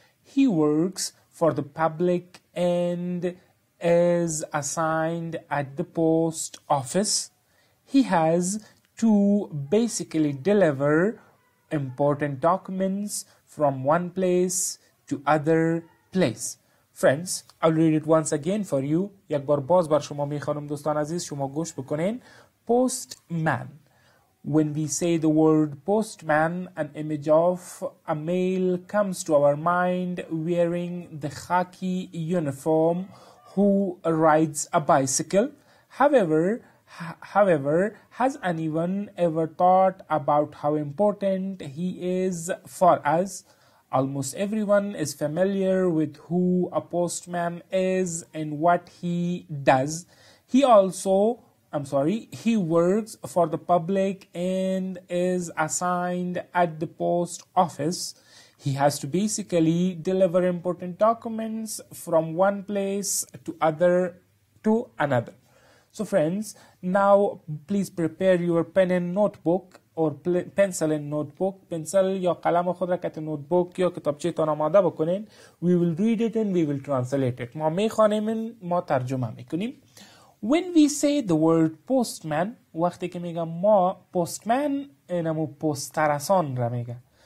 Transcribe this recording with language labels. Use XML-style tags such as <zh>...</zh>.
<en>He works for the public and is assigned at the post office. He has to basically deliver important documents from one place to other place. Friends, I'll read it once again for you.</en> <fa>یک بار باز بر شما میخوانم دوستان عزیز، شما گوش بکنین.</fa> <en>Postman. When we say the word postman, an image of a male comes to our mind wearing the khaki uniform who rides a bicycle. However, has anyone ever thought about how important he is for us? Almost everyone is familiar with who a postman is and what he does. He works for the public and is assigned at the post office. He has to basically deliver important documents from one place to other to another. So friends, now please prepare your pen and notebook.</en> <fa>اور پنسل این نوت بوک، پنسل یا قلم خود را کت نوت بوک یا کتابچه تان آماده بکنین.</fa> <en>We will read it and we will translate it.</en> <fa>ما میخوانیم، ما ترجمه میکنیم.</fa> <en>When we say the word postman،</en> <fa>وقتی که میگم ما postman، اینمو پسترسان را میگه.</fa>